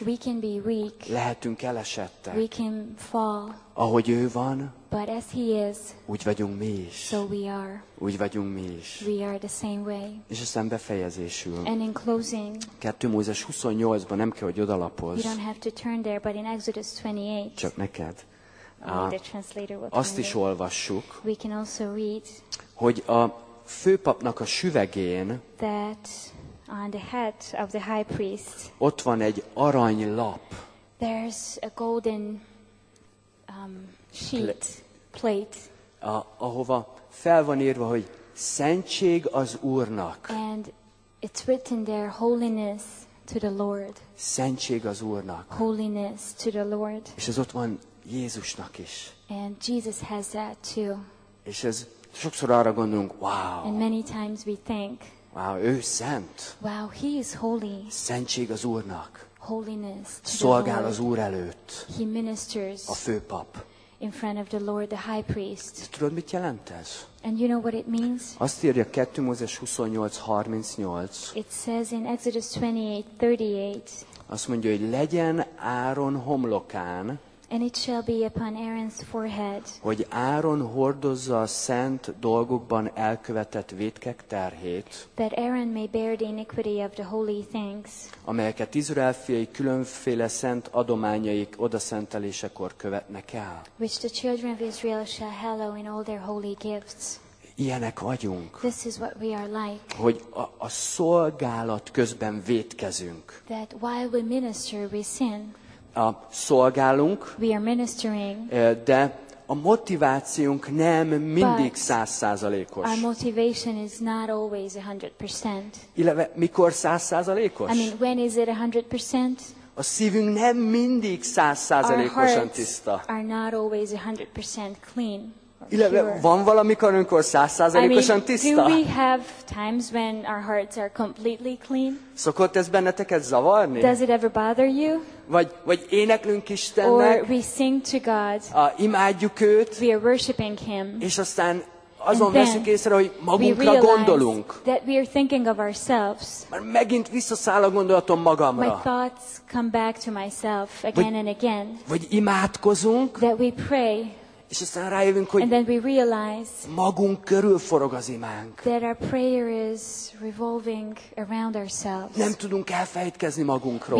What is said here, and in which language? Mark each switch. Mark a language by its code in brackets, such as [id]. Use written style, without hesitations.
[en] We can be weak. [hu] Lehetünk elesettek. [en] We can fall. [hu] Ahogy ő van. [en] But as he is. [hu] Úgy vagyunk mi is. [en] So we are. [hu] Úgy vagyunk mi is. [en] We are the same way. [hu] És aztán befejezésül. [en] And in closing. [hu] 2 Mózes 28-ban nem kell, hogy odalapozz. [en] You don't have to turn there, but in Exodus 28. [hu] Csak neked. [en] The translator will [hu] azt is olvassuk. [en] We can also read. [hu] Hogy a főpapnak a süvegén [en] that on the head of the high priest, [hu] ott van egy aranylap. [en] There's a golden sheet, plate. [hu] Ahova fel van írva, hogy szentség az Úrnak. [en] And it's written there, holiness to the Lord. [hu] Szentség az Úrnak. [en] Holiness to the Lord. [hu] És ez ott van Jézusnak is. [en] And Jesus has that too. [hu] És ez sokszor arra gondolunk, wow. [en] And many times we think. [hu] Wow, ő szent. [en] Wow, he is holy. [hu] Szentség az Úrnak. [en] Holiness. [hu] Szolgál az Úr előtt. [en] He ministers. [hu] A főpap. [en] In front of the Lord, the high priest. [hu] De tudod, mit jelent ez? [en] And you know what it means? [hu] Azt írja 2 Mózes 28:38. [en] It says in Exodus 28:38. [hu] Azt mondja, hogy legyen Áron homlokán. [en] And it shall be upon Aaron's forehead. [hu] Hogy Áron hordozza a szent dolgokban elkövetett vétkek terhét. [en] That Aaron may bear the iniquity of the holy things. [hu] Amelyeket Izrael fiai különféle szent adományaik odaszentelésekor követnek el. [en] Which the children of Israel shall hallow in all their holy gifts. [hu] Ilyenek vagyunk. [en] This is what we are like. [hu] Hogy a szolgálat közben vétkezünk. [en] That while we minister, we sin. [hu] Szolgálunk, [en] we are ministering, [hu] de a motivációnk nem mindig 100%-os. [en] Our motivation is not always 100%. [hu] Illetve mikor 100%-os? [en] I mean, when is it 100%? [hu] A szívünk nem mindig 100%-osan tiszta. [en] Our hearts are not always 100% clean. [hu] Illetve van valamikor, amikor 100%-osan tiszta? [en] I mean, do we have times when our hearts are completely clean? [hu] Szokott ez benneteket zavarni? [en] Does it ever bother you? [hu] Vagy éneklünk Istennek? [en] Or we sing to God. [hu] Imádjuk őt. [en] We are worshiping him. [hu] És aztán azon veszünk észre, hogy magunkra gondolunk. [en] That we are thinking of ourselves. [hu] Már megint visszaszáll a gondolatom magamra. [en] My thoughts come back to myself again and again. [hu] Vagy imádkozunk. [en] That we pray. [hu] És aztán rájövünk, hogy [en] and then we realize [hu] magunk körül forog az imánk. [en] That our prayer is revolving around ourselves. [hu] Nem tudunk elfejtkezni magunkról.